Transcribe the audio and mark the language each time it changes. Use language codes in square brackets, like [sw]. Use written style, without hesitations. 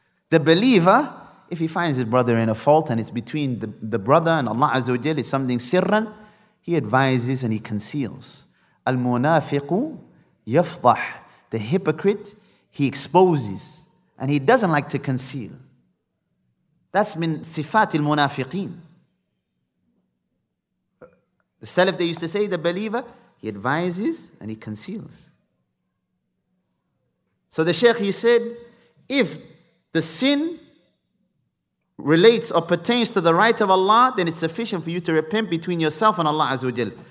[en] The believer, if he finds his brother in a fault and it's between the brother and Allah Azza wa Jalla, is something sirran, he advises and he conceals. [ar] المنافق يفضح. [en] The hypocrite, he exposes and he doesn't like to conceal. [ar] That's من صفات المنافقين. [en] The Salaf, they used to say, the believer, he advises and he conceals. So the Shaykh, he said, if the sin relates or pertains to the right of Allah, then it's sufficient for you to repent between yourself and Allah Azza wa Jal.